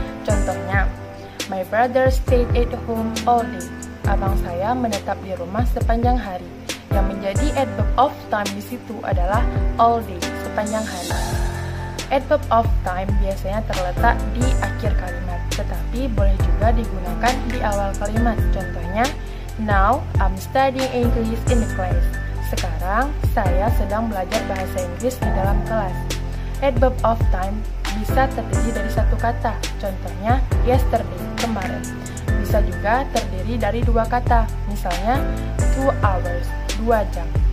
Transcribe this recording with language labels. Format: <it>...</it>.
<id>Contohnya,</id> <en>my brother stayed at home all day.</en> <id>Abang saya menetap di rumah sepanjang hari. Yang menjadi adverb of time di situ adalah all day, sepanjang hari. Adverb of time biasanya terletak di akhir kalimat, tetapi boleh juga digunakan di awal kalimat. Contohnya,</id> <en>now I'm studying English in the class.</en> <id>Sekarang, saya sedang belajar bahasa Inggris di dalam kelas. Adverb of time bisa terdiri dari satu kata, contohnya yesterday, kemarin. Bisa juga terdiri dari dua kata, misalnya 2 hours, 2 jam.</id>